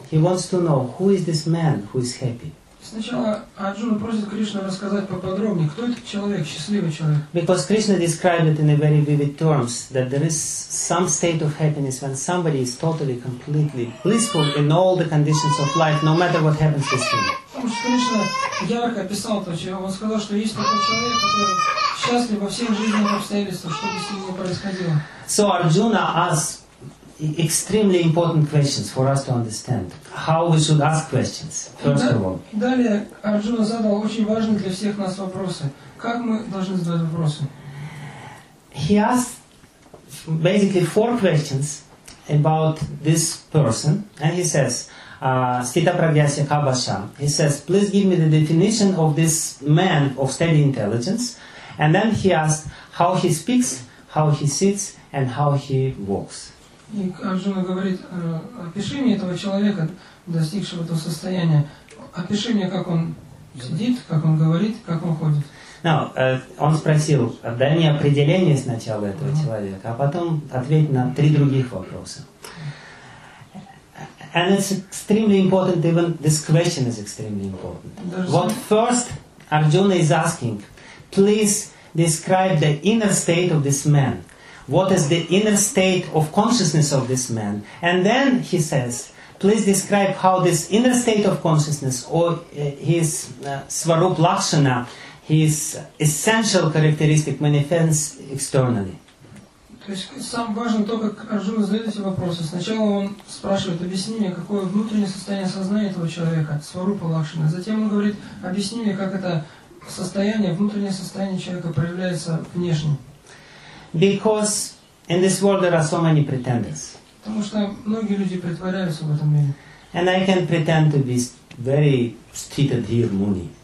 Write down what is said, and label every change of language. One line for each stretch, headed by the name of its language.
English: He wants to know who is this man who is happy.
Russian: Сначала Арджуна просит Кришну рассказать поподробнее, кто этот человек, счастливый человек.
English: Because Krishna described it in a very vivid terms, that there is some state of happiness when somebody is totally, completely blissful in all the conditions of life, no matter what happens to him.
Russian: Потому что Кришна ярко описал то, что он сказал, что есть такой человек, который счастлив во всех жизненных обстоятельствах, что бы с ним ни происходило.
English: So Arjuna asked extremely important questions for us to understand how we should ask questions, first of all.
Russian: Далее Арджуна задал очень важные для всех нас вопросы. Как мы должны задавать вопросы?
English: He asked basically four questions about this person, and he says, Stita Pragyasya Kabasha. He says, please give me the definition of this man of steady intelligence. And then he asked how he speaks, how he sits, and how he walks.
Russian: И Арджуна говорит, опиши мне этого человека, достигшего этого состояния. Опиши мне, как он сидит, как он говорит, как он ходит. Now, он спросил, дай мне определение сначала этого человека, а потом ответь на три других вопроса.
English: And it's extremely important, even this question is extremely important. What first Arjuna is asking, please describe the inner state of this man. What is the inner state of consciousness of this man? And then he says, please describe how this inner state of consciousness or his Svarup Lakshana, his essential characteristic manifests externally.
Russian: То есть самое важное то, как Арджуна задает эти вопросы. Сначала он спрашивает, объясни мне, какое внутреннее состояние сознания этого человека, Сварупа Лакшина. Затем он говорит, объясни мне, как это состояние, внутреннее состояние человека проявляется внешне.
English: Because in this world there are so many pretenders.
Russian: Потому что многие люди притворяются в этом мире.
English: And I can pretend to be very Sthitadhir Muni.